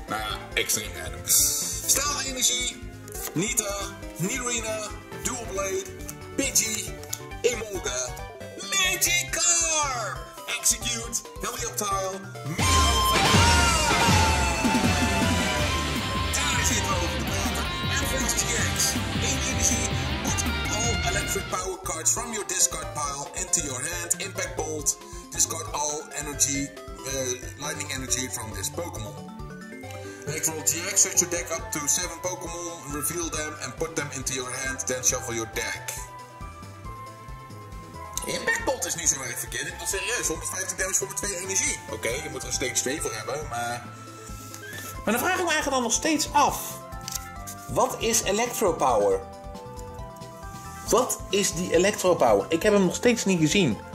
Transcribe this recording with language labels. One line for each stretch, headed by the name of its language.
Dutch: Nou ja, extreem random. Staalenergie, Nita, Nidorina, Dualblade, Pidgey, Emolga, Magikarp! Execute, Helioptile, Meowth. Daar zit het over de water. En Force GX, Energie.
English: Electric power cards from your discard pile into your hand. Impact Bolt. Discard all energy, lightning energy from this Pokémon. Electro GX, set your deck up to 7 Pokémon, reveal them and put them into your hand, then shuffle your deck.
Dutch: Impact Bolt is niet zo erg verkeerd, ik ben serieus. 150 damage voor 2 energie. Oké, okay, je moet er een steeds 2 voor hebben, maar... Maar dan vraag ik me eigenlijk dan nog steeds af. Wat is Electro Power? Wat is die Electro Power? Ik heb hem nog steeds niet gezien.